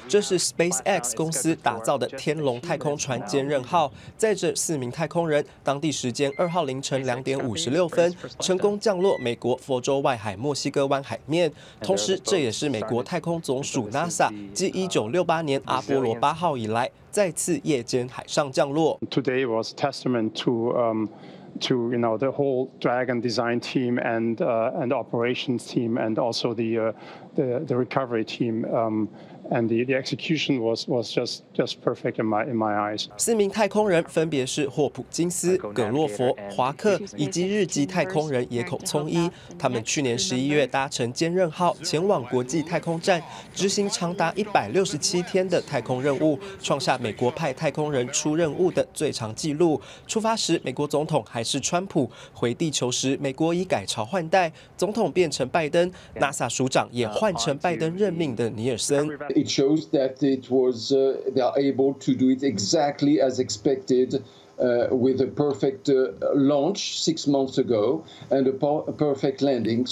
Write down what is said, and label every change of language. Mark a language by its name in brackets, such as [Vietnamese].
[Chinese] 这是 SpaceX 公司打造的天龙太空船坚韧号，载着四名太空人，当地时间2号凌晨2:56，成功降落美国佛州外海墨西哥湾海面。同时，这也是美国太空总署 NASA 继1968年阿波罗8号以来，再次夜间海上降落。 [English] Today was testament to you know the whole Dragon design team and operations team and also the recovery team and the execution was just perfect in my eyes. [Chinese] 四名太空人分别是霍普金斯、葛洛佛、华克以及日籍太空人野口聪一。他们去年11月搭乘坚韧号前往国际太空站，执行长达167天的太空任务，创下美国派太空人出任务的最长纪录。出发时美国总统还是川普，回地球时美国已改朝换代，总统变成拜登 ，NASA 署长也换成拜登任命的尼尔森。 [English] It shows that it was they are able to do it exactly as expected, with a perfect launch 6 months ago and a perfect landing.